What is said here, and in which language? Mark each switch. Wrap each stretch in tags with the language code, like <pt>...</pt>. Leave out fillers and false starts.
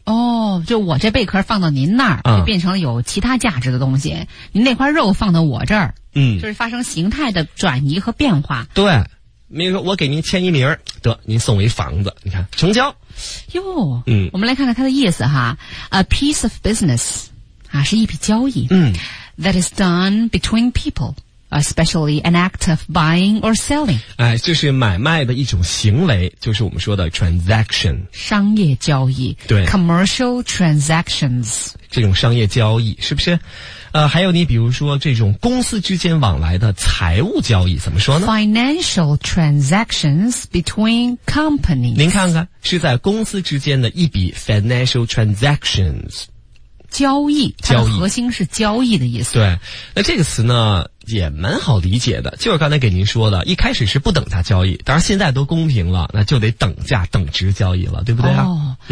<zh>哦，就我这贝壳放到您那儿，就变成了有其他价值的东西。您那块肉放到我这儿，就是发生形态的转移和变化。对，比如说我给您签一名，得您送我一房子，你看成交。哟，我们来看看它的意思哈。</zh> <en>A piece of business， 啊，</en> <zh>是一笔交易。</zh> <en>That is done between people。 Especially an act of buying or selling.</en> <zh>哎，就是买卖的一种行为，就是我们说的 transaction，商业交易。对</zh> <en>，commercial transactions，</en> <zh>这种商业交易是不是？还有你比如说这种公司之间往来的财务交易怎么说呢</zh> <en>？Financial transactions between companies.</en> <zh>您看看，是在公司之间的一笔</zh> <en>financial transactions。</en> <zh>交易，它的核心是交易的意思。对，那这个词呢也蛮好理解的，就是刚才给您说的，一开始是不等价交易，当然现在都公平了，那就得等价等值交易了，对不对啊？</zh>